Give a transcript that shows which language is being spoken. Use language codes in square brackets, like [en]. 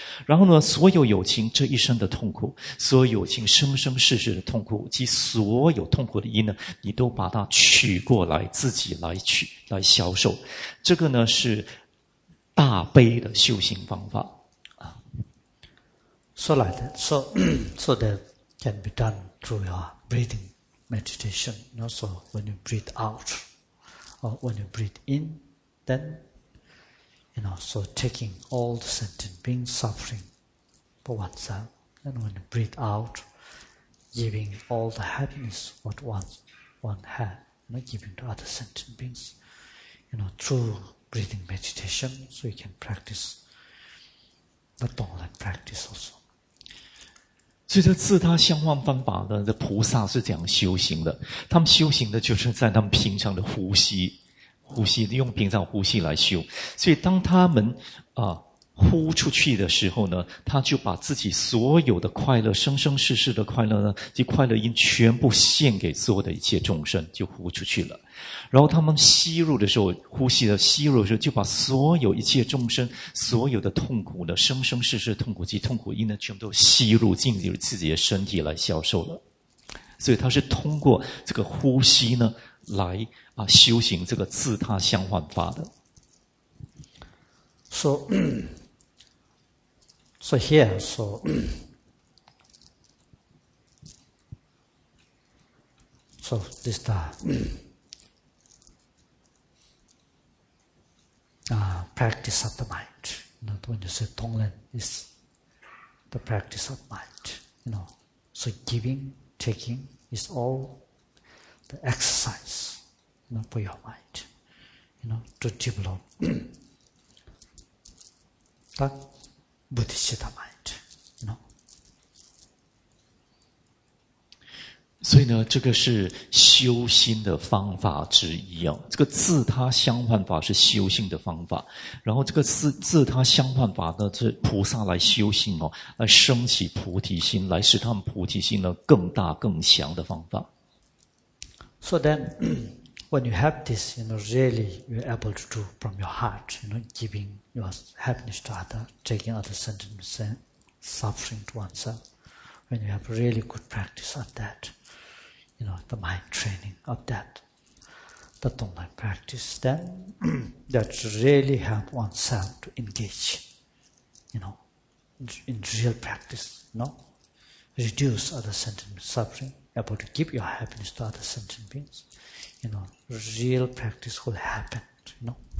[zh] 然后呢，所有有情这一生的痛苦，所有有情生生世世的痛苦及所有痛苦的因呢，你都把它取过来，自己来取来消受。这个呢是大悲的修行方法。 [en] So like that, so that can be done through your breathing meditation. You know, so when you breathe out, or when you breathe in. Then, you know, so taking all the sentient beings suffering for oneself, and when you breathe out, giving all the happiness what one had, not giving to other sentient beings. You know, through breathing meditation, so you can practice the Dongren practice also. [zh] 所以这自他相换方法的菩萨是怎样修行的？他们修行的就是在他们平常的呼吸，呼吸用平常呼吸来修。所以当他们呼出去的时候呢，他就把自己所有的快乐，生生世世的快乐呢，及快乐因全部献给所有的一切众生，就呼出去了。然后他们吸入的时候，呼吸的吸入的时候，就把所有一切众生所有的痛苦呢，生生世世的痛苦及痛苦因呢，全部都吸入进入自己的身体来消受了。所以他是通过这个呼吸呢，来修行这个自他相换法的。 [en] So here, so so this the practice of the mind. Not when you say Tonglen, it's the practice of mind. You know, so giving, taking is all the exercise, you know, for your mind. You know, to develop. That Buddhist mind, you know. [zh] 所以呢，这个是修心的方法之一啊。这个自他相换法是修心的方法，然后这个自他相换法呢，是菩萨来修心哦，来升起菩提心，来使他们菩提心呢更大更强的方法。 [en] So then, when you have this, you know, really you're able to do from your heart, you know, giving. Your happiness to other, taking other sentiments and suffering to oneself. When you have really good practice of that, you know, the mind training of that, the Dongren practice, then that really help oneself to engage, you know, in real practice, you know, reduce other sentiments, suffering, able to give your happiness to other sentient beings, you know, real practice will happen, you know.